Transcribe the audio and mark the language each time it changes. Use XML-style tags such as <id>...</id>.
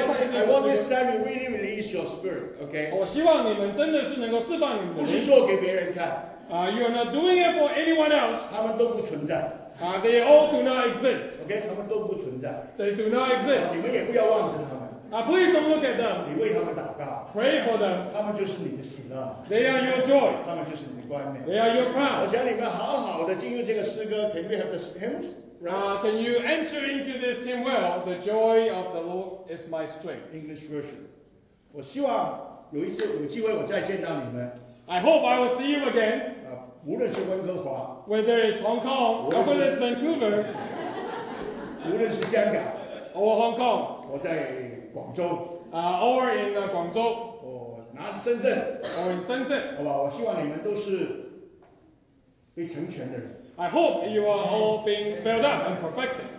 <en>I want this time you really release your spirit, okay?</en> <zh>我希望你们真的是能够释放你们的。不是做给别人看。</zh> <en>You are not doing it for anyone else.</en> <zh>他们都不存在。</zh> <en>They all do not exist.</en> <zh>Okay, 他们都不存在。</zh> <en>They do not exist.</en> <zh>你们也不要忘记他们。</zh> <en>Please don't look at them.</en> <zh>你为他们祷告。</zh> <en>Pray for them.</en> <zh>他们就是你的喜乐。</zh> <en>They are your joy.</en> <zh>他们就是你的冠冕。</zh> <en>They are your crown.</en> <zh>我想你们好好地进入这个诗歌,</zh> <en>can we have the hymns? Right. Can you enter into this hymn well? The joy of the Lord is my strength. English version.</en> <zh>我希望有一次有机会我再见到你们。</zh> <en>I hope I will see you again.</en> <zh>无论是温哥华,</zh> <en>whether it's Hong Kong, whether it's Vancouver,</en> <zh>无论是香港,</zh> <en>or Hong Kong,</en> <zh>我在广州,</zh> <en>or in Guangzhou,</en> <zh>我拿深圳,</zh> <en>or in Shenzhen.</en> <zh>好吧, 我希望你们都是被成全的人。</zh> <en>I hope you are all being filled up and perfected.</en>